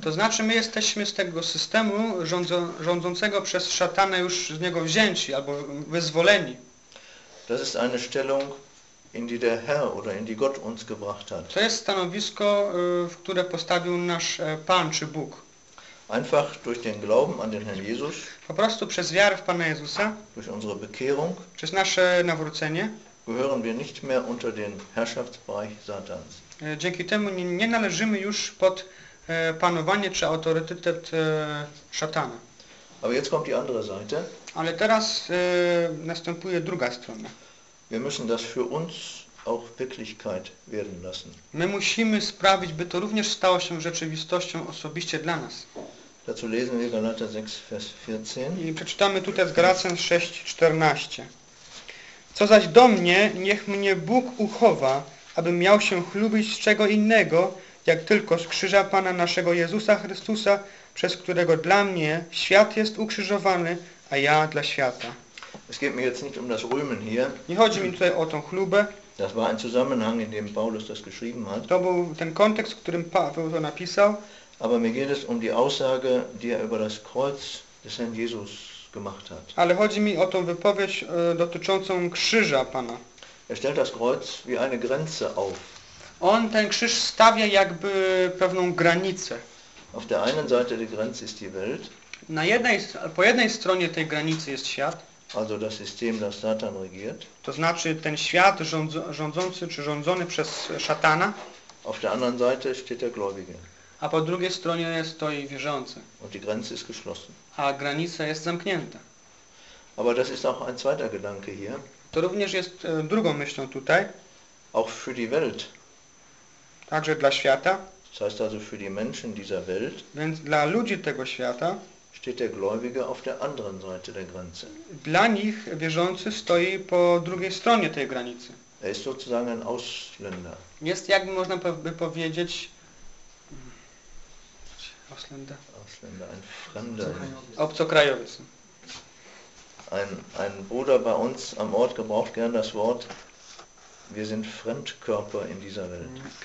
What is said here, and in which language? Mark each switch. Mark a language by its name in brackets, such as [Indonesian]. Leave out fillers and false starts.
[Polish] To znaczy, my jesteśmy z tego systemu rządzącego przez szatana już z niego wzięci albo wyzwoleni. [German] Das ist eine Stellung, in die der Herr oder in die Gott uns gebracht hat. [Polish] To jest stanowisko, w które postawił nasz Pan czy Bóg. [German] Einfach durch den Glauben an den Herrn Jesus. [Polish] Po prostu przez wiarę w Pana Jezusa. [German] Durch unsere Bekehrung. [Polish] Przez nasze nawrócenie. [German] Gehören wir nicht mehr unter den Herrschaftsbereich Satans. [Polish] Dzięki temu nie należymy już pod panowanie czy autorytet szatana. [German] Aber jetzt kommt die andere Seite. [Polish] Ale teraz następuje druga strona. [German] Wir müssen das für uns auch Wirklichkeit werden lassen. [Polish] My musimy sprawić, by to również stało się rzeczywistością osobiście dla nas. [German] Dazu lesen wir Galater 6, Vers 14. [Polish] I przeczytamy tutaj z Galacjan 6, 14. Co zaś do mnie, niech mnie Bóg uchowa, abym miał się chlubić z czego innego, jak tylko z krzyża Pana naszego Jezusa Chrystusa, przez którego dla mnie świat jest ukrzyżowany, a ja dla świata. [German] Es geht mir jetzt nicht um das Rühmen hier. [Polish] Nie chodzi mi tutaj o tą chlubę. [German] Das war ein Zusammenhang, in dem Paulus das geschrieben hat. [Polish] To był ten kontekst, w którym Paweł to napisał. [German] Aber mir geht es um die Aussage, die er über das Kreuz des Herrn Jesus gemacht hat. [Polish] Ale chodzi mi o tą wypowiedź dotyczącą krzyża Pana. [German] Er stellt das Kreuz wie eine Grenze auf. [Polish] On ten krzyż stawia jakby pewną granicę. [German] Auf der einen Seite der Grenze ist die Welt. [Polish] Po jednej stronie tej granicy jest świat. [German] Also das System, das Satan regiert. [Polish] To znaczy ten świat rządzący czy rządzony przez szatana. [German] Auf der anderen Seite steht der Gläubige. [Polish] A po drugiej stronie stoi wierzący. [German] Und die Grenze ist geschlossen. [Polish] A granica jest zamknięta. [German] Aber das ist auch ein zweiter Gedanke hier. [Polish] To również jest drugą myślą tutaj. [German] Auch für die Welt. [Polish] Także dla świata. [German] Das heißt also für die Menschen dieser Welt. [Polish] Więc dla ludzi tego świata. [German] Steht der Gläubige auf der anderen Seite der Grenze. [Polish] Dla nich wierzący stoi po drugiej stronie tej granicy. [German] Er ist sozusagen ein Ausländer. [Polish] Jest, jak można by powiedzieć, Ausländer. [German] Ausländer, ein Fremder. [Polish] Obcokrajowiec. [German] Ein Bruder bei uns am Ort gebraucht gern das Wort, wir sind Fremdkörper in dieser Welt.